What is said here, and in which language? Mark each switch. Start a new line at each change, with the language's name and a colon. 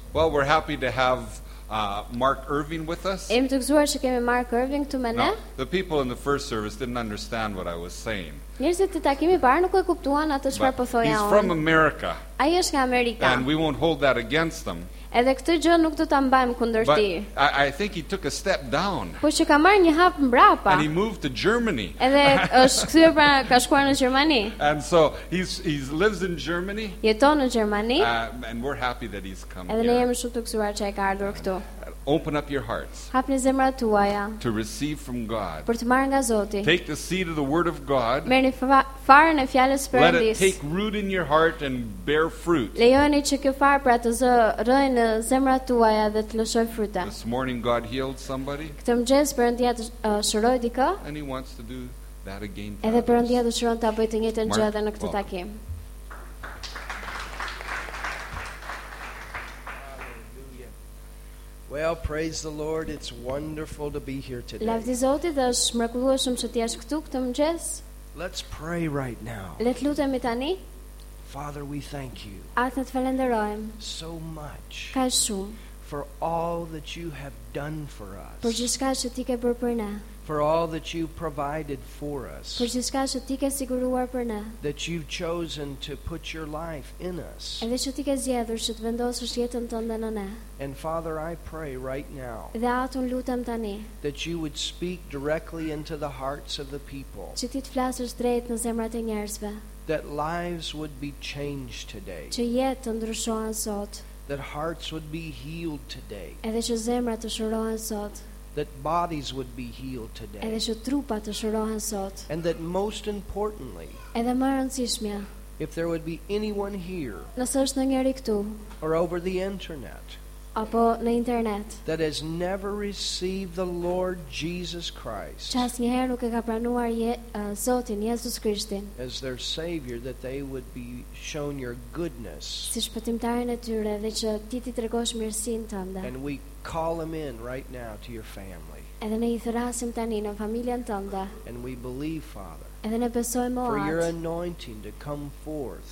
English: Well, we're happy to have Mark Irving with us.
Albanian: Jemi të gëzuar që kemi Mark Irving këtu me ne.
English: The people in the first service didn't understand what I was saying.
Albanian: Njerëzit të takimi parë nuk e kuptuan atë çfarë po thoja unë.
English: He's from America.
Albanian: Ai është nga Amerika.
English: And we won't hold that against them.
Albanian: Edhe këtë gjë nuk do ta mbajmë kundër ti.
English: I think he took a step down.
Albanian: Po që ka marrë një hap mbrapa.
English: And he moved to Germany.
Albanian: Edhe është kthyer pra ka shkuar në Gjermani.
English: And so he's lives in Germany.
Albanian: Jeton në Gjermani.
English: And we're happy that he's come
Albanian: edhe
English: here.
Albanian: Edhe ne jemi shumë të gëzuar që ai ka ardhur këtu.
English: Open up your hearts.
Albanian: Hapni zemrat tuaja.
English: To receive from God.
Albanian: Për të marrë nga Zoti.
English: Take the seed of the word of God.
Albanian: Merrni farën e fjalës Perëndisë.
English: Let it take root in your heart and bear fruit.
Albanian: Lejoni që kjo farë pra të zë rrëjë në zemrat tuaja dhe të lëshojë fryte.
English: This morning God healed somebody.
Albanian: Këtë mëngjes Perëndia të shëroi dikë.
English: And he wants to do that again.
Albanian: Edhe Perëndia dëshiron ta bëjë të njëjtën gjë edhe në këtë takim.
English: Well, praise the Lord. It's wonderful to be here today.
Albanian: Lavdi Zotit, është mrekullueshëm që ti jesh këtu këtë mëngjes.
English: Let's pray right now.
Albanian: Le të lutemi tani.
English: Father, we thank you.
Albanian: Atë të falenderojmë.
English: So much.
Albanian: Kaq shumë.
English: For all that you have done for us.
Albanian: Për gjithçka që ti ke bërë për ne.
English: For all that you provided for us.
Albanian: Për gjithçka që ti ke siguruar për ne.
English: That you've chosen to put your life in us.
Albanian: Edhe që ti ke zgjedhur që të vendosësh jetën tënde në ne.
English: And Father, I pray right now.
Albanian: Dhe atun lutem tani.
English: That you would speak directly into the hearts of the people.
Albanian: Që ti të flasësh drejt në zemrat e njerëzve.
English: That lives would be changed today.
Albanian: Që jetë ndryshohen sot.
English: That hearts would be healed today.
Albanian: Edhe që zemrat të shërohen sot.
English: That bodies would be healed today.
Albanian: Edhe që trupa të shërohen sot.
English: And that most importantly.
Albanian: Edhe më rëndësishmja.
English: If there would be anyone here.
Albanian: Nëse është ndonjëri këtu.
English: Or over the internet.
Albanian: Apo në internet.
English: That has never received the Lord Jesus Christ.
Albanian: Që asnjëherë nuk e ka pranuar Zotin Jezus Krishtin.
English: As their savior that they would be shown your goodness.
Albanian: Si shpëtimtarin e tyre dhe që ti t'i tregosh mirësinë tënde.
English: And we call him in right now to your family.
Albanian: Edhe ne i thrasim tani në familjen tënde.
English: And we believe, Father.
Albanian: Edhe ne besojmë
English: for your anointing to come forth.